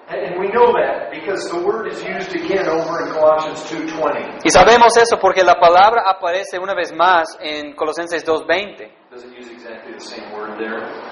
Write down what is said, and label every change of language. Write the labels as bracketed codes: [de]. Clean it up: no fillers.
[en] And we know that because the word is used again over in Colossians 2:20. [es] Y sabemos eso porque la palabra aparece una vez más en Colosenses 2:20. [en] Does it use exactly the same word there?